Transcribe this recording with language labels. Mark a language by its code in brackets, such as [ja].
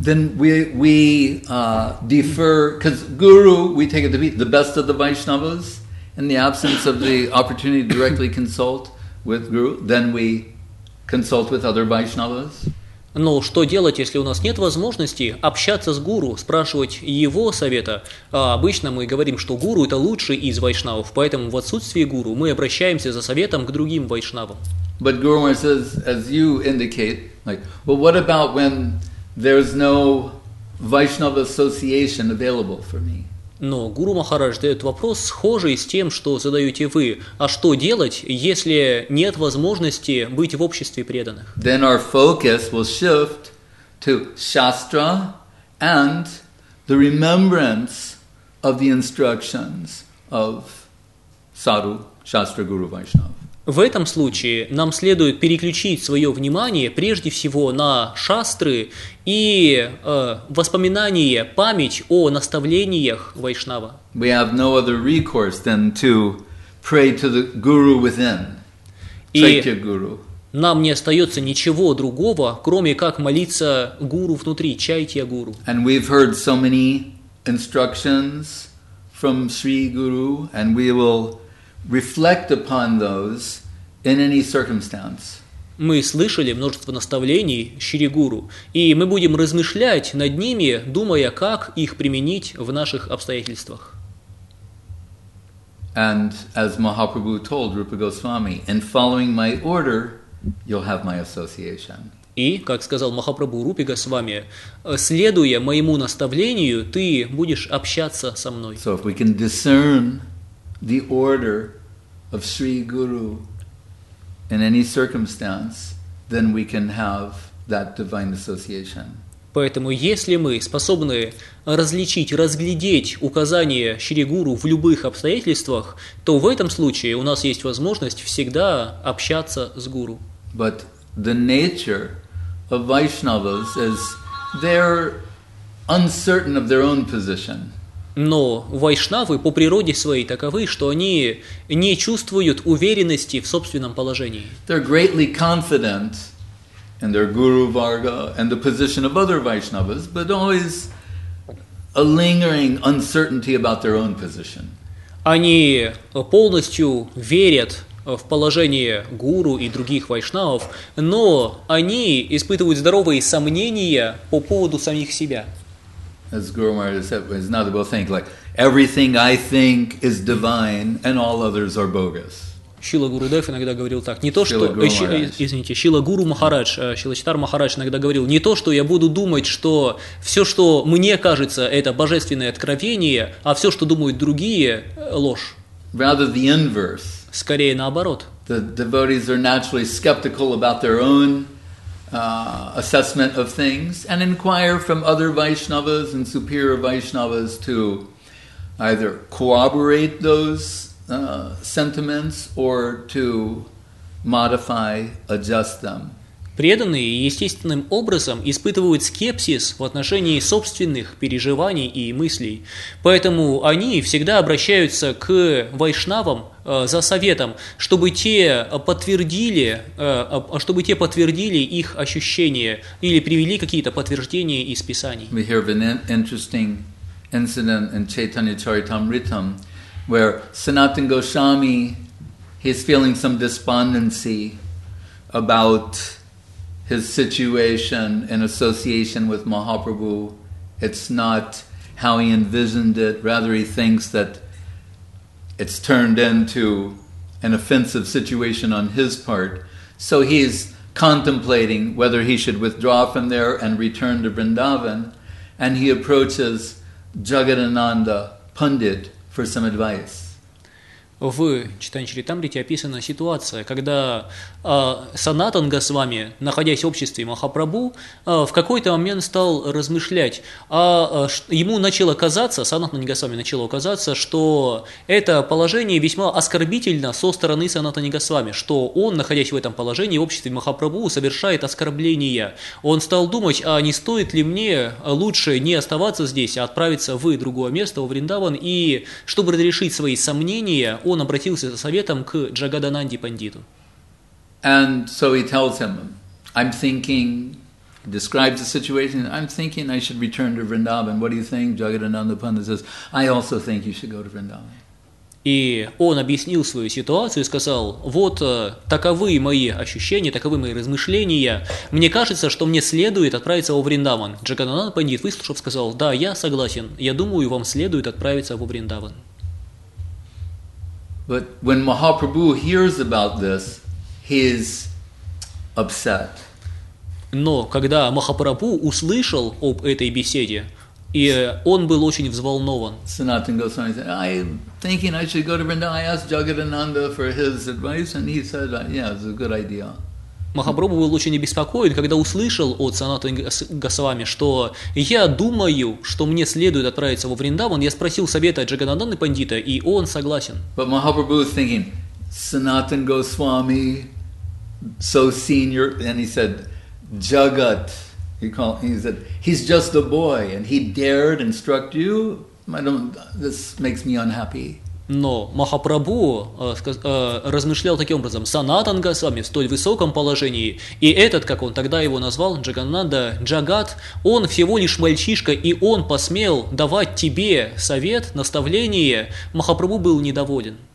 [en] Then we defer, because Guru, we take it to be the best of the Vaishnavas, in the absence of the opportunity to directly consult with Guru, then we consult with other Vaishnavas. [ru] Но что делать, если у нас нет возможности общаться с Гуру, спрашивать его совета? Обычно мы говорим, что Гуру – это лучший из Вайшнавов, поэтому в отсутствии Гуру мы обращаемся за советом к другим Вайшнавам. [en] But Guru Maharaj says, as you indicate, like, well, what about when there's no Vaishnava association available for me? [ru] Но Гуру Махарадж задает вопрос, схожий с тем, что задаете вы. А что делать, если нет возможности быть в обществе преданных? [en] Then our focus will shift to Shastra and the remembrance of the instructions of Sadhu, Shastra, Guru, Vaishnava. [ru] В этом случае нам следует переключить свое внимание прежде всего на шастры и воспоминания, память о наставлениях Вайшнава. [en] We have no other recourse than to pray to the Guru within. Chaitya Guru. [ru] Нам не остается ничего другого, кроме как молиться Гуру внутри, Чайтья Гуру. [en] And we've heard so many instructions from Sri Guru, and we will reflect upon those in any circumstance. [ru] Мы слышали множество наставлений Шри Гуру, и мы будем размышлять над ними, думая, как их применить в наших обстоятельствах. [en] And as Mahaprabhu told Rupa Goswami, in following my order, you'll have my association. [ru] И, как сказал Махапрабху Рупи Госвами, следуя моему наставлению, ты будешь общаться со мной. [en] So if we can discern the order of Sri Guru in any circumstance, then we can have that divine association. [ru] Поэтому, если мы способны различить, разглядеть указания Шри Гуру в любых обстоятельствах, то в этом случае у нас есть возможность всегда общаться с Гуру. [en] But the nature of Vaishnavas is they're uncertain of their own position. [ru] Но вайшнавы по природе своей таковы, что они не чувствуют уверенности в собственном положении. [en] They're greatly confident in their guru varga and the position of other vaishnavas, but always a lingering uncertainty about their own position. [ru] Они полностью верят в положение гуру и других вайшнавов, но они испытывают здоровые сомнения по поводу самих себя. [en] As Guru Maharaj said, it's not a good thing. Like, everything I think is divine and all others are bogus. [ru] Шрила Гуру Дев иногда говорил так. Не то, что, Шрила Гуру Махарадж, Шрила Читар Махарадж иногда говорил, не то, что я буду думать, что все, что мне кажется, это божественное откровение, а все, что думают другие, ложь. [en] Rather the inverse. [ru] Скорее наоборот. [en] The devotees are naturally skeptical about their own assessment of things and inquire from other Vaishnavas and superior Vaishnavas to either corroborate those sentiments or to modify, adjust them. [ru] Преданные естественным образом испытывают скепсис в отношении собственных переживаний и мыслей. Поэтому они всегда обращаются к вайшнавам за советом, чтобы те подтвердили их ощущения или привели какие-то подтверждения из Писаний. [en] We hear of an interesting incident in Chaitanya Charitamritam, where Sanatana Goswami, he's feeling some despondency about his situation in association with Mahaprabhu. It's not how he envisioned it. Rather, he thinks that it's turned into an offensive situation on his part. So he's contemplating whether he should withdraw from there and return to Vrindavan. And he approaches Jagadananda Pandit for some advice. [ru] В Чайтанья Чаритамрите описана ситуация, когда Санатан Госвами, находясь в обществе Махапрабху, в какой-то момент стал размышлять, ему начало казаться, Санатан Госвами начало казаться, что это положение весьма оскорбительно со стороны Санатана Госвами, что он, находясь в этом положении, в обществе Махапрабху, совершает оскорбление. Он стал думать, а не стоит ли мне лучше не оставаться здесь, а отправиться в другое место, в Вриндаван, и чтобы разрешить свои сомнения, он обратился за советом к Джагадананде Пандиту. [en] And so he tells him, I'm thinking, describes the situation, I'm thinking I should return to Vrindavan. What do you think? Jagadananda Pandit says, I also think you should go to Vrindavan. [ru] И он объяснил свою ситуацию и сказал, вот таковы мои ощущения, таковы мои размышления. Мне кажется, что мне следует отправиться во Вриндаван. Джагадананда Пандит, выслушав, сказал, да, я согласен, я думаю, вам следует отправиться во Вриндаван. [en] But when Mahaprabhu hears about this, he's upset. [ru] Но когда Махапрабху услышал об этой беседе, и он был очень взволнован. [en] Sanatana Goswami said, I'm thinking I should go to Vrindavan. I asked Jagadananda for his advice, and he said, yeah, it's a good idea. [ru] Махапрабху был очень обеспокоен, когда услышал от Санатана Госвами, что я думаю, что мне следует отправиться во Вриндаван. Я спросил совета Джагадананды Пандита, и он согласен. [en] But Mahaprabhu was thinking, Sanatana Goswami, so senior, and he said, Jagat, he's just a boy, and he dared instruct you? This makes me unhappy. [ru] Но Махапрабху размышлял таким образом, Санатан Госвами в столь высоком положении, и этот, как он тогда его назвал, Джагананда Джагат, он всего лишь мальчишка, и он посмел давать тебе совет, наставление, Махапрабху был недоволен.